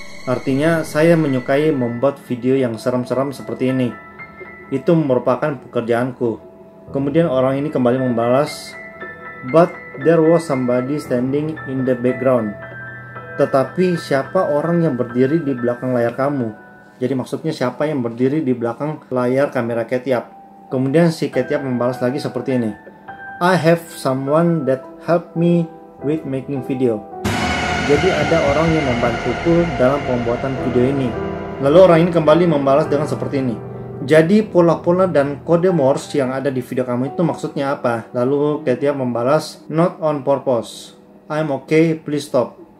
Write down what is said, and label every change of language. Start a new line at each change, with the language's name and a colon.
Indonesian: Artinya, "Saya menyukai membuat video yang seram-seram seperti ini. Itu merupakan pekerjaanku." Kemudian orang ini kembali membalas,
English: "But there was somebody standing in the background."
Indonesian: Tetapi siapa orang yang berdiri di belakang layar kamu? Jadi maksudnya siapa yang berdiri di belakang layar kamera Kate Yup? Kemudian si Kate Yup membalas lagi seperti ini,
English: "I have someone that helped me with making video."
Indonesian: Jadi ada orang yang membantuku dalam pembuatan video ini. Lalu orang ini kembali membalas dengan seperti ini, "Jadi pola-pola dan kode Morse yang ada di video kamu itu maksudnya apa?" Lalu Kate Yup membalas,
English: "Not on purpose. I'm okay, please stop.